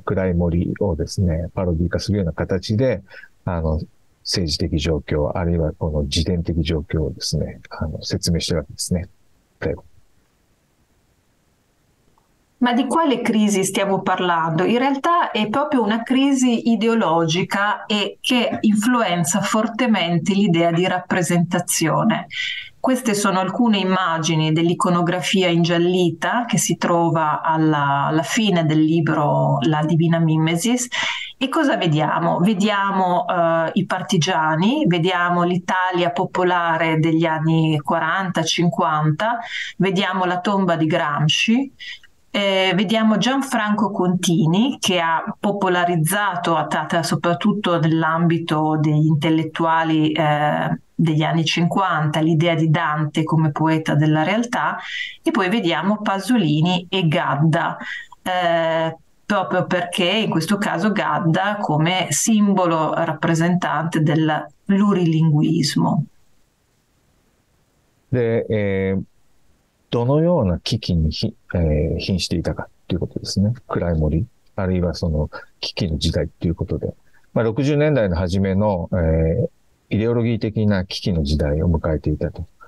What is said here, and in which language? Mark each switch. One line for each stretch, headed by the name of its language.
Japanese: 暗い森をですね、パロディ化するような形で、政治的状況、あるいはこの自伝的状況をですね、説明してるわけですね。
Italian: Ma di quale crisi stiamo parlando? In realtà è proprio una crisi ideologica e che influenza fortemente l'idea di rappresentazione. Queste sono alcune immagini dell'iconografia ingiallita che si trova alla fine del libro La Divina Mimesis. E cosa vediamo? Vediamo i partigiani, vediamo l'Italia popolare degli anni 40-50, vediamo la tomba di Gramsci. Vediamo Gianfranco Contini che ha popolarizzato soprattutto nell'ambito degli intellettuali degli anni 50 l'idea di Dante come poeta della realtà e poi vediamo Pasolini e Gadda proprio perché in questo caso Gadda come simbolo rappresentante del plurilinguismo.
Japanese: で、どのような危機に瀕していたかということですね。暗い森、あるいはその危機の時代ということで。まあ、60年代の初めの、イデオロギー的な危機の時代を迎えていたと。